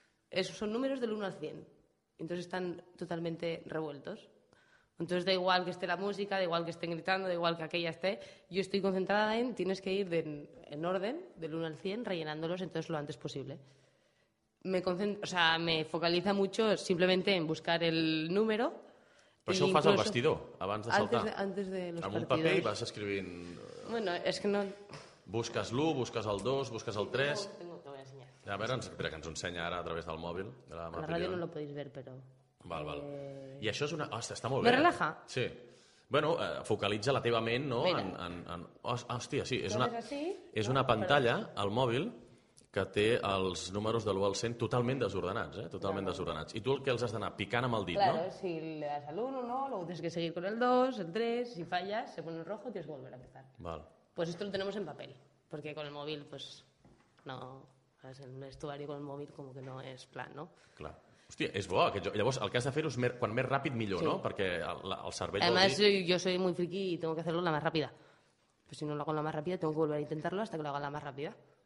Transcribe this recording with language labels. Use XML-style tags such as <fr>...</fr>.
<es>Esos son números del 1 al 100, entonces están totalmente revueltos. Entonces da igual que esté la música, da igual que estén gritando, da igual que aquella esté. Yo estoy concentrada en, tienes que ir en orden, del 1 al 100, rellenándolos entonces lo antes posible. Me focaliza mucho simplemente en buscar el número.</es> <ca>Però això ho fas al vestidor, abans de saltar.</ca> <es>Antes de los partidos.</es> <ca>Amb un paper i vas escrivint...</ca> <es>Bueno, es que no...</es> <ca>Busques l'1, busques el 2, busques el 3...</ca> <es>No, te voy a enseñar.</es> <ca>Espera, que ens ho ensenya ara a través del mòbil. La ràdio</ca> <es>no lo podéis ver, pero...</es> <ca>Val. I això és una... Hòstia, està molt bé.</ca> <es>Me relaja.</es> <ca>Sí. Bueno, focalitza la teva ment, no? Hòstia, sí. És una pantalla, al mòbil, que té els números de l'1 al 100 totalment desordenats, eh? Totalment desordenats. I tu el que els has d'anar picant amb el dit,</ca> <es>claro, no? Claro, si le das al 1, no, luego tienes que seguir con el 2, el 3, si fallas, se pone en rojo, tienes que volver a empezar.</es> <ca>Val.</ca> <es>Pues esto lo tenemos en papel, porque con el móvil, pues, no... En un estuari con el móvil como que no es plan, no?</es> <ca>Clar. Hòstia, és bo aquest joc. Llavors, el que has de fer és quan més ràpid millor, sí, no? Perquè el cervell...</ca> <es>Además, yo soy muy friki y tengo que hacerlo la más rápida. Pues si no lo hago la más rápida, tengo que volver a intentarlo hasta que lo haga la más rápida.</es>